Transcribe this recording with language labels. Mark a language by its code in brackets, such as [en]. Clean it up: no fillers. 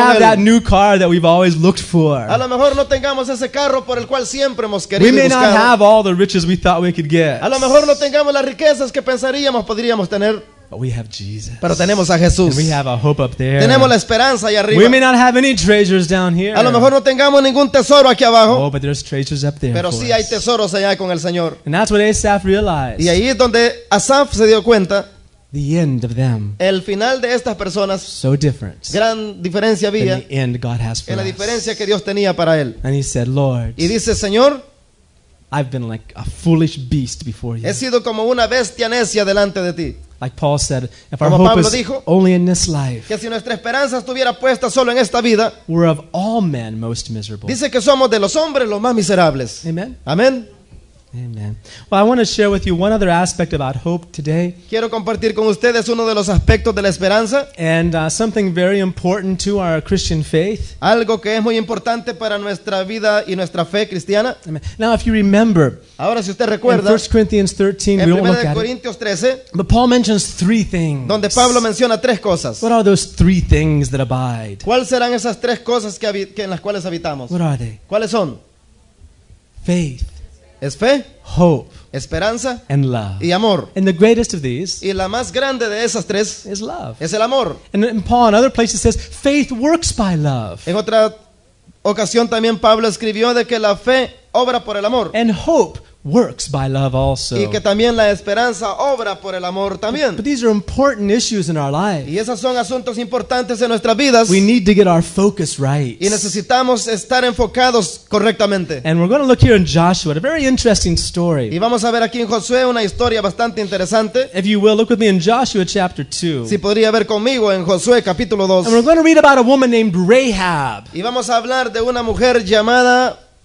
[en] We may not have that new car that we've always looked for. [es] A lo mejor no tengamos ese carro por el cual siempre hemos querido buscar. [en] We may not have all the riches we thought we could get. [es] A lo mejor no tengamos las riquezas que pensaríamos podríamos tener. [en] But we have Jesus. [es] Pero tenemos a Jesús. [en] And we have a hope up there. [es] Tenemos la esperanza allá arriba. [en] We may not have any treasures down here. [es] A lo mejor no tengamos ningún tesoro aquí abajo. [en] Oh, but there's treasures up there. [es] Pero sí hay tesoros allá con el Señor. [en] And that's what Asaph realized. [es] Y ahí es donde Asaph se dio cuenta. [en] The end of them. [es] El final de estas personas. [en] So different. [es] Gran diferencia había. [en] The end God has for [es] us. La diferencia que Dios tenía para él. [en] And he said, Lord. [es] Y dice, Señor. [en] I've been like a foolish beast before you. [es] He sido como una bestia necia delante de ti. [en] Like Paul said, if [es] como [en] our hope [es] Pablo [en] is [es] dijo, [en] only in this life, [es] que si nuestra esperanza estuviera puesta solo en esta vida, [en] we're of all men most miserable. [es] Dice que somos de los hombres los más miserables. [en] Amen. Amen. Amen. Well, I want to share with you one other aspect about hope today. [es] Quiero compartir con ustedes uno de los aspectos de la esperanza. [en] And something very important to our Christian faith. [es] Algo que es muy importante para nuestra vida y nuestra fe cristiana. [en] Amen. Now, if you remember, [es] ahora, si usted recuerda, [en] in 1 Corinthians 13, [es] en [en] we don't look [es] de Corintios 13, [en] at it, but Paul mentions three things. [es] Donde Pablo menciona tres cosas. [en] What are those three things that abide? [es] ¿Cuáles serán esas tres cosas que en las cuales habitamos? [en] What are they? [es] ¿Cuáles son? [en] Faith. [es] Es fe, [en] hope, [es] esperanza, [en] and love, [es] y amor. [en] And the greatest of these, [es] y la más grande de esas tres, [en] is love. [es] Es el amor. [en] And in Paul, in other places, says faith works by love. [es] En otra ocasión también Pablo escribió de que la fe obra por el amor. [en] And hope works by love also. [es] Y que también la esperanza obra por el amor también. [en] But these are important issues in our lives. [es] Y esas son asuntos importantes en nuestras vidas. [en] We need to get our focus right. [es] Y necesitamos estar enfocados correctamente. [en] And we're going to look here in Joshua, a very interesting story. [es] Y vamos a ver aquí en Josué una historia bastante interesante. [en] If you will, look with me in Joshua chapter 2. [es] Si podría ver conmigo en Josué capítulo 2. [en] And we're going to read about a woman named Rahab. [es] Y vamos a hablar de una mujer llamada.